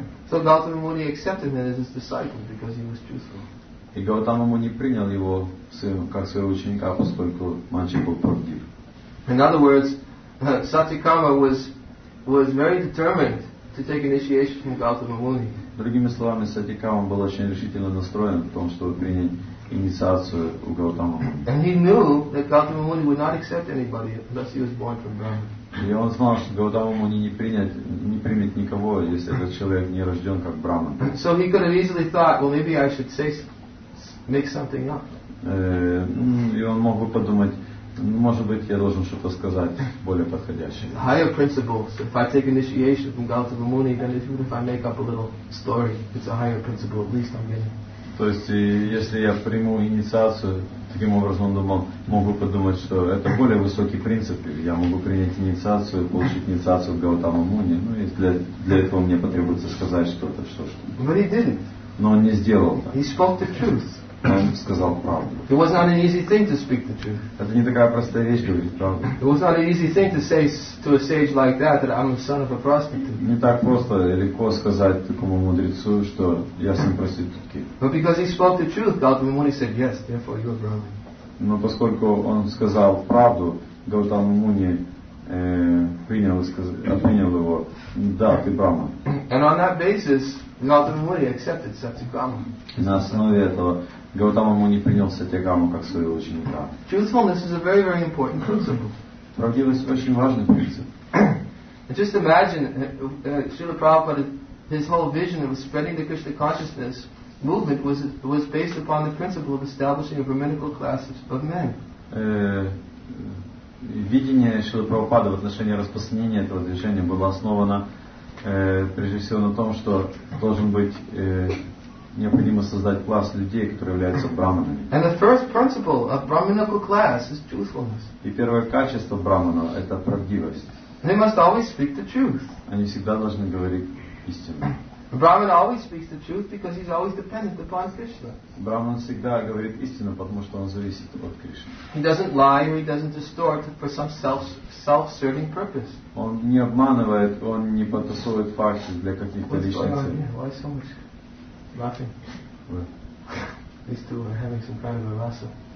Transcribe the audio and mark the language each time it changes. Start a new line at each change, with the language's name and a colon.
English: So Gautama Muni accepted him as his disciple because he was truthful.
Russian: И Гаутама Муни принял его как своего ученика, поскольку мальчик был правдив.
English: In other words, Satyakama was very determined to take initiation from Gautama Muni.
Russian: Другими словами, Сатикама был очень решительно настроен в том, чтобы принять инициацию у Гаутама Муни.
English: And he knew that Gautama Muni would not accept anybody unless he was born from Brahma.
Russian: И он знал, что Гаутама Муни не примет никого, если этот человек не рожден как Браман.
English: So he could have easily thought, well, maybe I should say, make something up.
Russian: И он мог бы подумать, ну, может быть, я должен что-то сказать более подходящее.
English: Higher principles. If I take initiation from Gautama Muni, then even if I make up a little story, it's a higher principle. At least I'm getting.
Russian: То есть, если я приму инициацию, таким образом он думал, мог бы подумать, что это более высокий принцип, я могу принять инициацию, получить инициацию в Гаутама Муни, ну и для этого мне потребуется сказать что-то,
English: But he didn't.
Russian: Но он не сделал так.
English: He spoke the truth.
Russian: Он сказал правду.
English: It was not an easy thing to speak the truth.
Russian: Это не такая простая вещь говорить правду.
English: It was not an easy thing to say to a sage like that that I'm the son of a prostitute.
Russian: Не так просто и легко сказать такому мудрецу, что я сын проститутки.
English: But because he spoke the truth, Gautama Muni said yes, therefore you're Brahman.
Russian: Но поскольку он сказал правду, Гаутама Муни принял его, да, ты Брахман.
English: And on that basis, Gautama Muni accepted Satyakama.
Russian: На основе этого Гаутама Муни принял Сатьякаму как своего ученика.
English: Truthfulness is a very, very important principle.
Russian: Правдивость очень важный принцип.
English: Just imagine, Srila Prabhupada, his whole vision of spreading the Krishna consciousness movement was based upon the principle of establishing a brahminical class of men.
Russian: Видение Шрилы Прабхупады в отношении распространения этого движения было основано прежде всего на том, что должен быть необходимо создать класс людей, которые являются браманами.
English: And the first principle of brahminical class is truthfulness.
Russian: И первое качество брамана – это правдивость.
English: They must always speak the truth.
Russian: Они всегда должны говорить истину.
English: Brahman always speaks the truth because he's always dependent upon Krishna.
Russian: Браман всегда говорит истину, потому что он зависит от Кришны.
English: He doesn't lie or he doesn't distort for some self-serving purpose.
Russian: Он не обманывает, он не подтасовывает факты для каких-то личных целей. Laughing.
English: These two are having some kind of a rasa.